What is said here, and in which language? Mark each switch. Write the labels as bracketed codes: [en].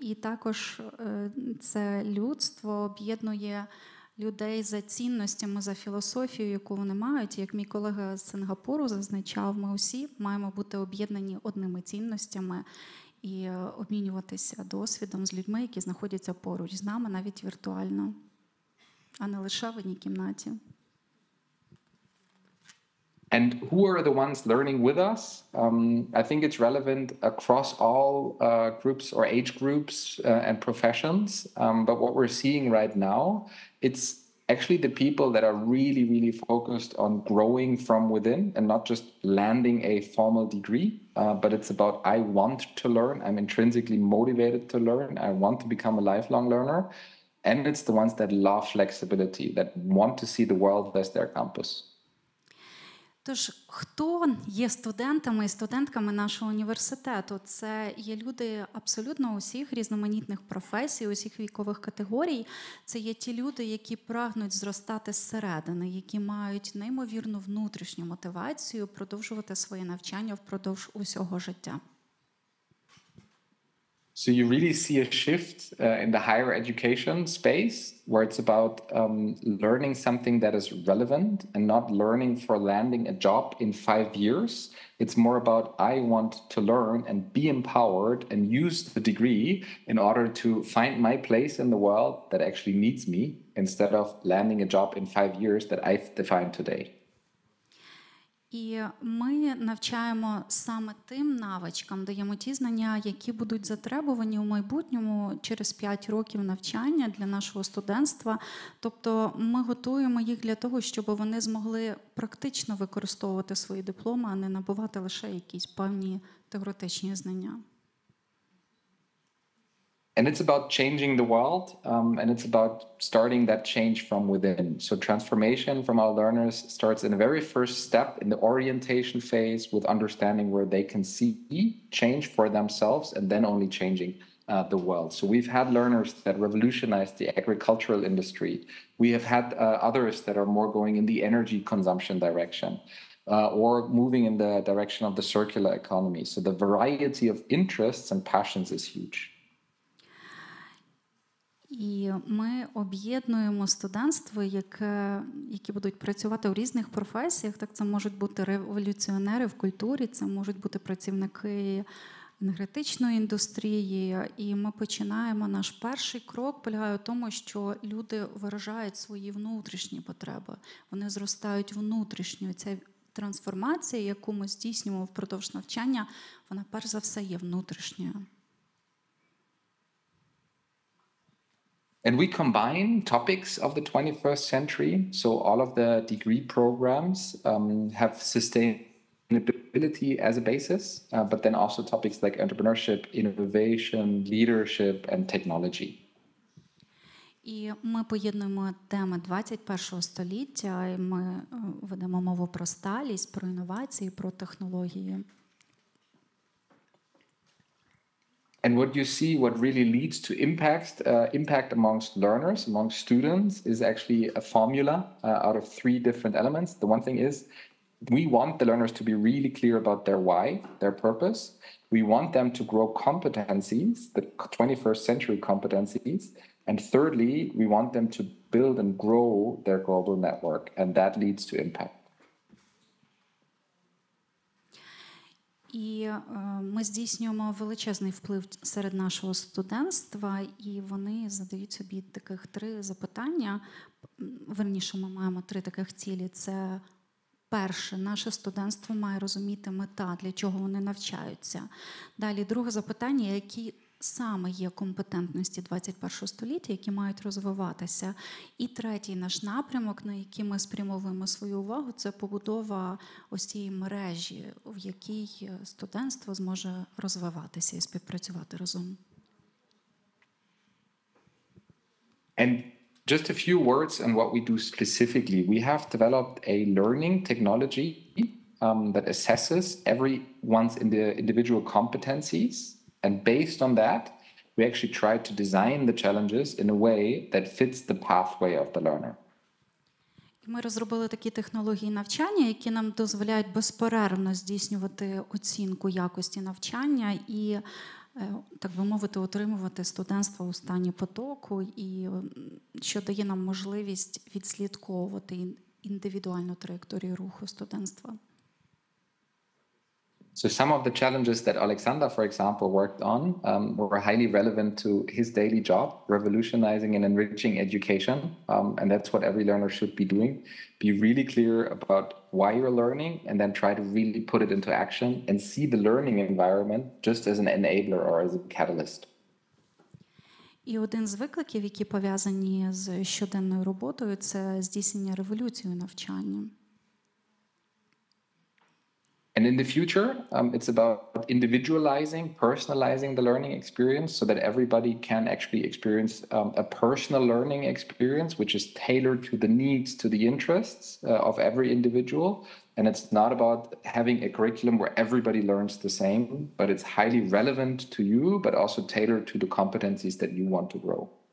[uk] І також це людство об'єднує людей за цінностями, за філософією, яку вони мають. Як мій колега з Сингапуру зазначав, ми усі маємо бути об'єднані одними цінностями і обмінюватися досвідом з людьми, які знаходяться поруч з нами, навіть віртуально. А не лише в одній кімнаті. [en] And who are the ones learning with us? I think it's relevant across all groups or age groups and professions. But what we're seeing right now, it's actually the people that are really, really focused on growing from within and not just landing a formal degree. But it's about, I want to learn. I'm intrinsically motivated to learn. I want to become a lifelong learner. And it's the ones that love flexibility, that want to see the world as their campus. [uk] Тож, хто є студентами і студентками нашого університету? Це є люди абсолютно усіх різноманітних професій, усіх вікових категорій. Це є ті люди, які прагнуть зростати зсередини, які мають неймовірну внутрішню мотивацію продовжувати своє навчання впродовж усього життя. [en] So you really see a shift in the higher education space, where it's about learning something that is relevant and not learning for landing a job in 5 years. It's more about I want to learn and be empowered and use the degree in order to find my place in the world that actually needs me, instead of landing a job in 5 years that I've defined today. [uk] І ми навчаємо саме тим навичкам, даємо ті знання, які будуть затребувані в майбутньому через 5 років навчання для нашого студентства. Тобто ми готуємо їх для того, щоб вони змогли практично використовувати свої дипломи, а не набувати лише якісь певні теоретичні знання. [en] And it's about changing the world, and it's about starting that change from within. So transformation from our learners starts in the very first step in the orientation phase, with understanding where they can see change for themselves and then only changing the world. So we've had learners that revolutionized the agricultural industry. We have had others that are more going in the energy consumption direction. Or moving in the direction of the circular economy. So the variety of interests and passions is huge. [uk] І ми об'єднуємо студентство, які будуть працювати в різних професіях. Так, це можуть бути революціонери в культурі, це можуть бути працівники енергетичної індустрії. І ми починаємо, наш перший крок полягає в тому, що люди виражають свої внутрішні потреби. Вони зростають внутрішньо. Ця трансформація, яку ми здійснюємо впродовж навчання, вона перш за все є внутрішньою. [en] And we combine topics of the 21st century. So all of the degree programs have sustainability as a basis, but then also topics like entrepreneurship, innovation, leadership, and technology. [uk] І ми поєднуємо теми 21-го століття, і ми ведемо мову про сталість, про інновації, про технології. [en] And what you see, what really leads to impact amongst learners, amongst students, is actually a formula out of 3 different elements. The one thing is, we want the learners to be really clear about their why, their purpose. We want them to grow competencies, the 21st century competencies. And thirdly, we want them to build and grow their global network, and that leads to impact. [uk] І ми здійснюємо величезний вплив серед нашого студентства, і вони задають собі таких 3 запитання. Верніше, ми маємо 3 таких цілі. Це перше, наше студентство має розуміти мета, для чого вони навчаються. Далі, друге запитання, які саме є компетентності 21-го століття, які мають розвиватися. І третій наш напрямок, на який ми спрямовуємо свою увагу, це побудова ось цієї мережі, в якій студентство зможе розвиватися і співпрацювати разом. [en] And just a few words on what we do specifically. We have developed a learning technology that assesses everyone's in the individual competencies. And based on that, we actually try to design the challenges in a way that fits the pathway of the learner. [uk] Ми розробили такі технології навчання, які нам дозволяють безперервно здійснювати оцінку якості навчання і, так би мовити, отримувати студентство у стані потоку, і що дає нам можливість відслідковувати індивідуальну траєкторію руху студентства. [en] So some of the challenges that Alexander, for example, worked on were highly relevant to his daily job, revolutionizing and enriching education. And that's what every learner should be doing. Be really clear about why you're learning and then try to really put it into action and see the learning environment just as an enabler or as a catalyst. [uk] І один з викликів, які пов'язані з щоденною роботою, це здійснення революції у навчанні. [en] And in the future, it's about individualizing, personalizing the learning experience so that everybody can actually experience a personal learning experience, which is tailored to the needs, to the interests of every individual. And it's not about having a curriculum where everybody learns the same, but it's highly relevant to you, but also tailored to the competencies that you want to grow.